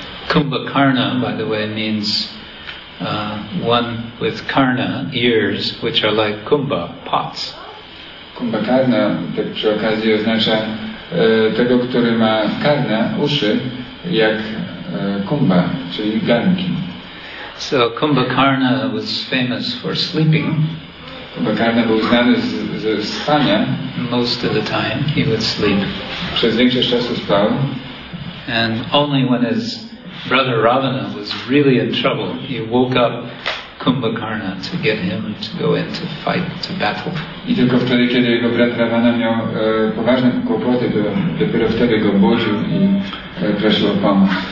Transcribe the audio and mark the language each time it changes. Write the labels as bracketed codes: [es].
[en] Kumbhakarna, by the way, means one with karna, ears, which are like kumbha, pots. [pl] Kumbhakarna, tak przy okazji, oznacza tego, który ma karna, uszy, jak kumbha, czyli garnki. [en] So Kumbhakarna was famous for sleeping. [pl] Kumbhakarna był znany ze spania. [en] Most of the time he would sleep. [pl] Przez większość czasu spał. [en] And only when his brother Ravana was really in trouble, he woke up Kumbhakarna to get him to go into fight, to battle. [pl] I tylko wtedy, kiedy jego brat Ravana miał poważne kłopoty, dopiero wtedy go budził i prosił o pomoc.